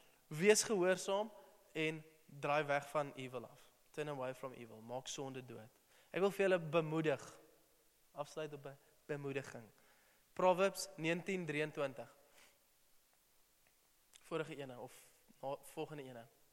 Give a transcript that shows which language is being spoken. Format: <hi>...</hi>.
<af>Wees gehoorsaam en draai weg van evil af.</af> <en>Turn away from evil.</en> <af>Maak sonde dood. Ek wil vir julle bemoedig. Afsluit op 'n bemoediging.</af> <en>Proverbs 19:23.</en> <af>Vorige ene, of volgende ene.</af>